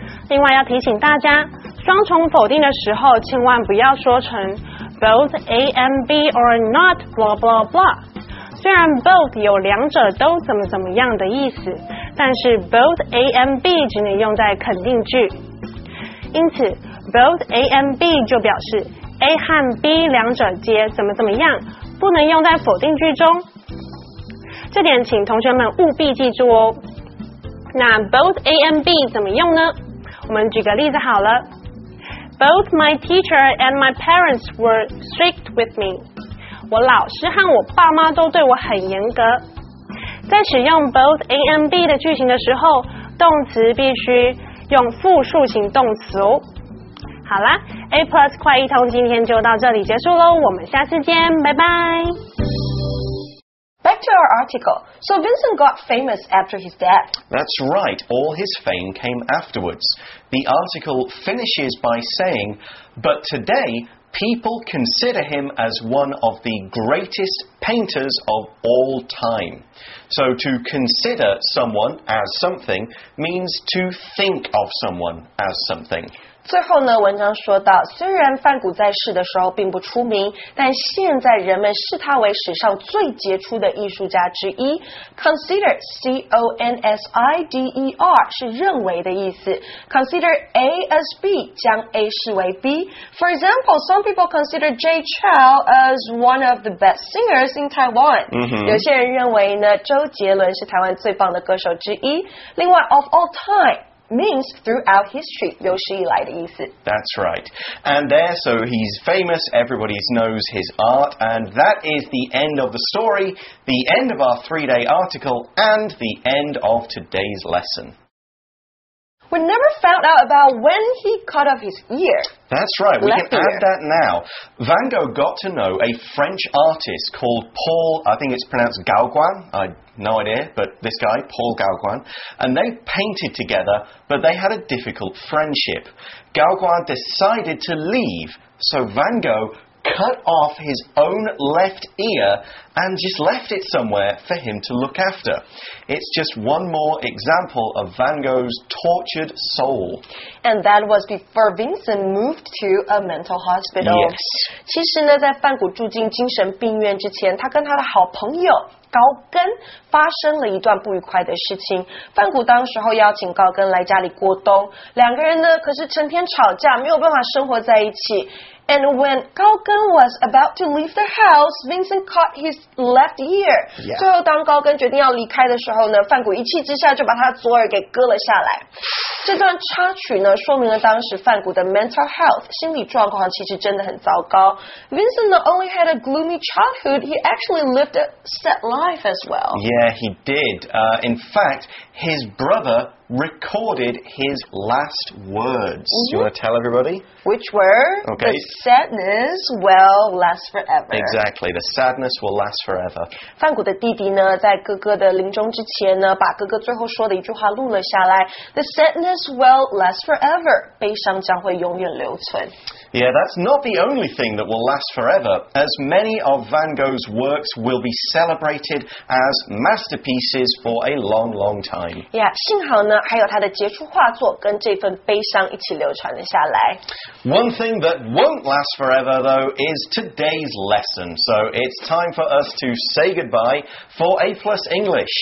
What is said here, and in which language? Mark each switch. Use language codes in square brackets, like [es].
[zh] 另外要提醒大家双重否定的时候千万不要说成 [en] both A and B or not blah blah [zh] blah 虽然 both 有两者都怎么怎么样的意思但是 both A and B 只能用在肯定句因此 both A and B 就表示 A 和 B 两者皆怎么怎么样，不能用在否定句中，这点请同学们务必记住哦。那 both A and B 怎么用呢？我们举个例子好了。 [en] Both my teacher and my parents were strict with me. [zh] 我老师和我爸妈都对我很严格。在使用 both A and B 的句型的时候，动词必须用复数型动词哦。好啦， A Plus 快一通今天就到这里结束咯，我们下次见，拜拜。 [en] Back to our article. So Vincent got famous after his death. That's right. All his fame came afterwards. The article finishes by saying, but today, people consider him as one of the greatest painters of all time. So to consider someone as something means to think of someone as something. [zh] 最后呢，文章说到，虽然梵谷在世的时候并不出名，但现在人们视他为史上最杰出的艺术家之一。 Consider, C-O-N-S-I-D-E-R, 是认为的意思。 [en] Consider A as B, [zh] 将 A 视为 B. [en] For example, some people consider Jay Chou as one of the best singers in Taiwan.、 Mm-hmm. [zh] 有些人认为呢，周杰伦是台湾最棒的歌手之一。另外 , [en] of all time,means throughout history, [zh] 有史以来的意思。 [en] That's right. And there, so he's famous, everybody knows his art, and that is the end of the story, the end of our three-day article, and the end of today's lesson. We never found out about when he cut off his ear. That's right, we can add that now. Van Gogh got to know a French artist called Paul, I think it's pronounced Gauguin, No idea, but this guy, Paul Gauguin, and they painted together, but they had a difficult friendship. Gauguin decided to leave, so Van Gogh cut off his own left ear and just left it somewhere for him to look after. It's just one more example of Van Gogh's tortured soul. And that was before Vincent moved to a mental hospital. Yes. [zh] 其实呢，在梵谷住进精神病院之前，他跟他的好朋友高根发生了一段不愉快的事情。梵谷当时候邀请高根来家里过冬，两个人呢可是成天吵架，没有办法生活在一起。 [en] And when 高根 was about to leave the house, Vincent caught his left ear.、 Yeah. [zh] 最后当高根决定要离开的时候呢，梵谷一气之下就把他左耳给割了下来。这段插曲呢，说明了当时梵谷的 mental health 心理状况其实真的很糟糕。 [en] Vincent not only had a gloomy childhood, he actually lived a sad life as well. Yeah, he did. In fact, his brother recorded his last words.、 Mm-hmm. Do you want to tell everybody? Which were? Okay. The sadness will last forever. Exactly. The sadness will last forever. [zh] 梵谷的弟弟呢，在哥哥的临终之前呢，把哥哥最后说的一句话录了下来。 [en] The sadness will last forever. [zh] 悲伤将会永远留存。 [en] Yeah, that's not the only thing that will last forever, as many of Van Gogh's works will be celebrated as masterpieces for a long, long time. [zh] Yeah, 幸好呢，还有他的杰出画作跟这份悲伤一起流传了下来。 [en] One thing that won't last forever, though, is today's lesson. So it's time for us to say goodbye for A Plus English.